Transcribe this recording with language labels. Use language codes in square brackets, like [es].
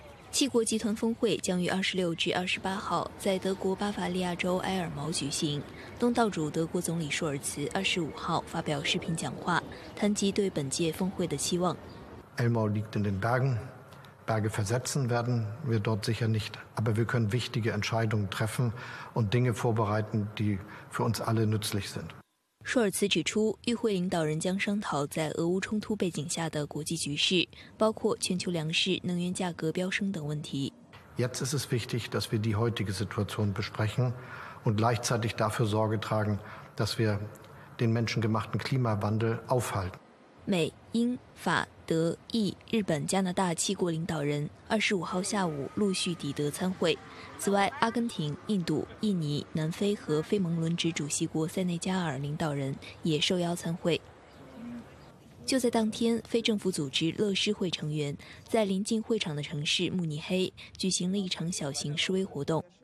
[zh] 七国集团峰会将于26至28号在德国巴伐利亚州埃尔茅举行。东道主德国总理舒尔茨25号发表视频讲话，谈及对本届峰会的期望。 [de] Elmau liegt in den Bergen. Berge versetzen werden wir dort sicher nicht, aber wir können wichtige Entscheidungen treffen und Dinge vorbereiten, die für uns alle nützlich sind. [zh] 舒尔茨指出，与会领导人将商讨在俄乌冲突背景下的国际局势，包括全球粮食、能源价格飙升等问题。 [de] Jetzt ist es wichtig, dass wir die heutige Situation besprechen und gleichzeitig dafür Sorge tragen, dass wir den menschengemachten Klimawandel aufhalten. [zh] 美、英、法、德、意、日本、加拿大七国领导人25号下午陆续抵德参会。此外，阿根廷、印度、印尼、南非和非盟轮值主席国塞内加尔领导人也受邀参会。就在当天，非政府组织乐施会成员在临近会场的城市慕尼黑举行了一场小型示威活动。